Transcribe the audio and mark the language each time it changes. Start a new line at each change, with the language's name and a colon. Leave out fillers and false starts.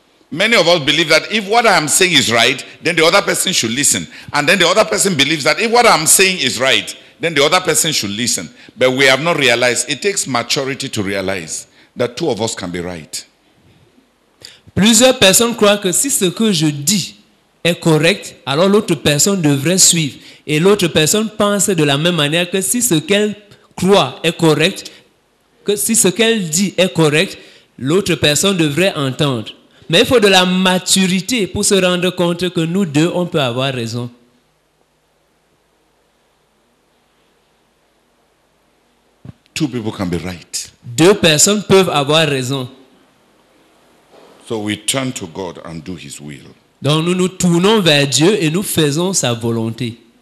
English: Many of us believe that if what I am saying is right, then the other person should listen. And then the other person believes that if what I am saying is right, then the other person should listen. But we have not realized, it takes maturity to realize that two of us can be right.
French: Plusieurs personnes croient que si ce que je dis est correct, alors l'autre personne devrait suivre. Et l'autre personne pense de la même manière que si ce qu'elle croit est correct, que si ce qu'elle dit est correct, l'autre personne devrait entendre. Mais il faut de la maturité pour se rendre compte que nous deux, on peut avoir raison.
English: Two people can be right.
French: Deux personnes peuvent avoir raison.
English: So we turn to God and do his will.
French: Donc nous nous tournons vers Dieu et nous faisons sa volonté.